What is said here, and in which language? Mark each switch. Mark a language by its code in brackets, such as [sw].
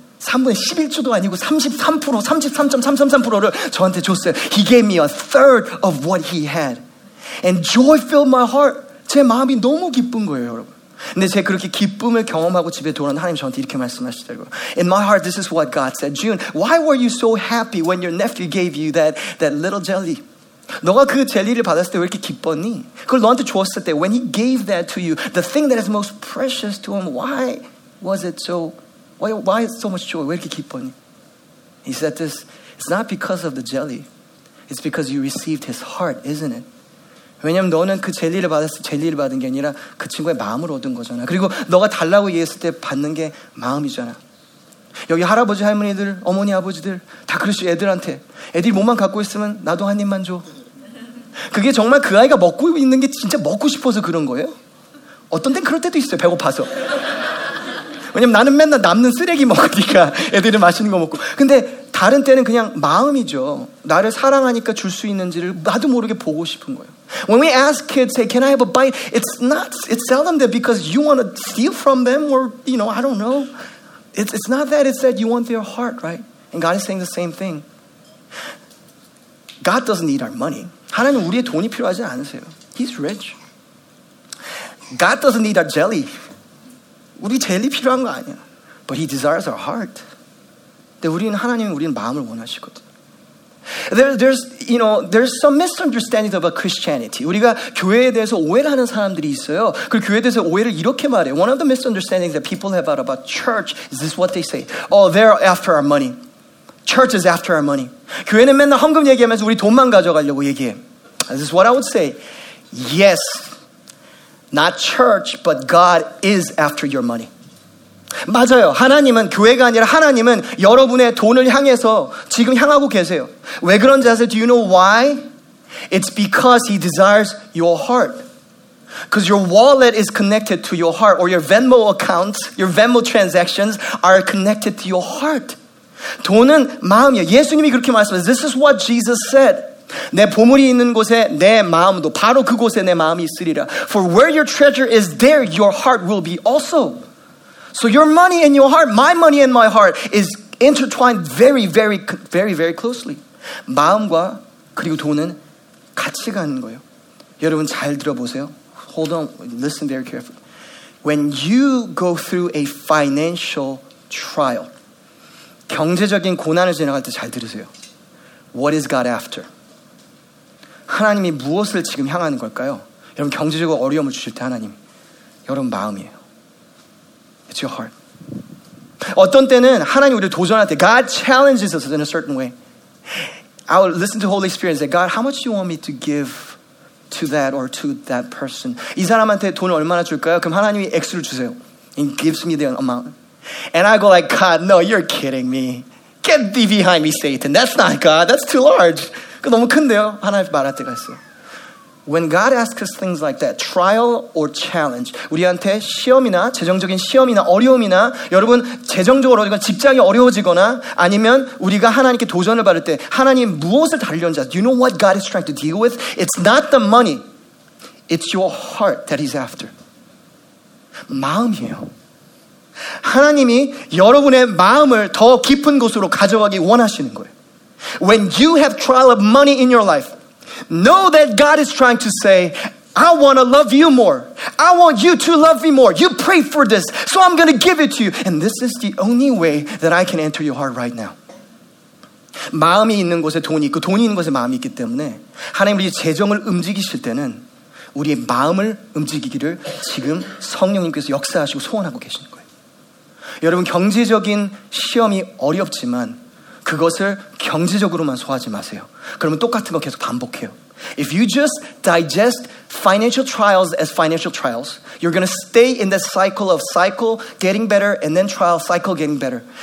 [ko] 3분의 11주도 아니고 33.333%를 저한테 줬어요. [en] He gave me a third of what he had. And joy filled my heart. [ko] 제 마음이 너무 기쁜 거예요, 여러분. 근데 제가 그렇게 기쁨을 경험하고 집에 돌아온 하나님 저한테 이렇게 말씀하시더라고요. [en] In my heart, this is what God said. June, why were you so happy when your nephew gave you that little jelly? [ko] 너가 그 젤리를 받았을 때 왜 이렇게 기뻤니? 그걸 너한테 주었을 때, [en] when he gave that to you, the thing that is most precious to him, why is it so much joy? [ko] 왜 이렇게 기뻤니? [en] He said this, it's not because of the jelly. It's because you received his heart, isn't it? [ko] 왜냐면 너는 그 진리를 받았을 진리를 받은 게 아니라 그 친구의 마음을 얻은 거잖아. 그리고 너가 달라고 얘기했을 때 받는 게 마음이잖아. 여기 할아버지, 할머니들, 어머니, 아버지들 다 그러시죠. 애들한테. 애들이 몸만 갖고 있으면 나도 한 입만 줘. 그게 정말 그 아이가 먹고 있는 게 진짜 먹고 싶어서 그런 거예요? 어떤 땐 그럴 때도 있어요. 배고파서. 왜냐면 나는 맨날 남는 쓰레기 먹으니까 애들은 맛있는 거 먹고. 근데 다른 때는 그냥 마음이죠. 나를 사랑하니까 줄 수 있는지를 나도 모르게 보고 싶은 거예요. [en] When we ask kids, hey, can I have a bite? It's not, it's seldom that because you want to steal from them or, you know, I don't know. It's not that, it's that you want their heart, right? And God is saying the same thing. God doesn't need our money. [ko] 하나님 우리의 돈이 필요하지 않으세요. [en] He's rich. God doesn't need our jelly. [ko] 우리 젤리 필요한 거 아니야. [en] But he desires our heart. [ko] 근데 우리는 하나님은 우리는 마음을 원하시거든. [en] There's some misunderstanding about Christianity. [ko] 우리가 교회에 대해서 오해를 하는 사람들이 있어요. 그 교회에 대해서 오해를 이렇게 말해요. [en] One of the misunderstandings that people have about church is this what they say. Oh, they're after our money. Church is after our money. [ko] 교회는 맨날 헌금 얘기하면서 우리 돈만 가져가려고 얘기해. [en] This is what I would say. Yes, not church, but God is after your money. [ko] 맞아요. 하나님은 교회가 아니라 하나님은 여러분의 돈을 향해서 지금 향하고 계세요. 왜 그런지 아세요? [en] Do you know why? It's because he desires your heart. Because your wallet is connected to your heart or your Venmo accounts, your Venmo transactions are connected to your heart. [ko] 돈은 마음이에요. 예수님이 그렇게 말씀하셨어요. [en] This is what Jesus said. [ko] 내 보물이 있는 곳에 내 마음도 바로 그곳에 내 마음이 있으리라. [en] For where your treasure is there, your heart will be also. So your money and your heart, my money and my heart is intertwined very, very, very, very closely. [ko] 마음과 그리고 돈은 같이 가는 거예요. 여러분 잘 들어보세요. [en] Hold on, listen very carefully. When you go through a financial trial, [ko] 경제적인 고난을 지나갈 때 잘 들으세요. [en] What is God after? [ko] 하나님이 무엇을 지금 향하는 걸까요? 여러분 경제적으로 어려움을 주실 때 하나님, 여러분 마음이에요. [en] It's your heart. [ko] 어떤 때는 하나님 우리를 도전할 때 [en] God challenges us in a certain way. I will listen to Holy Spirit and say, God, how much do you want me to give to that or to that person? [ko] 이 사람한테 돈을 얼마나 줄까요? 그럼 하나님이 X를 주세요. [en] And gives me the amount. And I go like, God, no, you're kidding me. Get thee behind me, Satan. That's not God. That's too large. [ko] 그 너무 큰데요? 하나님 말할 때가 있어요. [en] When God asks us things like that, trial or challenge, [ko] 우리한테 시험이나 재정적인 시험이나 어려움이나 여러분 재정적으로 어려우거나 직장이 어려워지거나 아니면 우리가 하나님께 도전을 받을 때 하나님 무엇을 달려온 자? [en] Do you know what God is trying to deal with? It's not the money. It's your heart that he's after. [ko] 마음이에요. 하나님이 여러분의 마음을 더 깊은 곳으로 가져가기 원하시는 거예요. [en] When you have trial of money in your life, know that God is trying to say, I want to love you more. I want you to love me more. You pray for this, so I'm going to give it to you. And this is the only way that I can enter your heart right now. [ko] 마음이 있는 곳에 돈이 있고 돈이 있는 곳에 마음이 있기 때문에 하나님 우리 재정을 움직이실 때는 우리의 마음을 움직이기를 지금 성령님께서 역사하시고 소원하고 계시는 거예요. 여러분 경제적인 시험이 어렵지만 그것을 경제적으로만 소화하지 마세요. 그러면 똑같은 거 계속 반복해요. [en] If you just digest financial trials as financial trials, you're going to stay in that cycle of cycle getting better and then trial cycle getting better.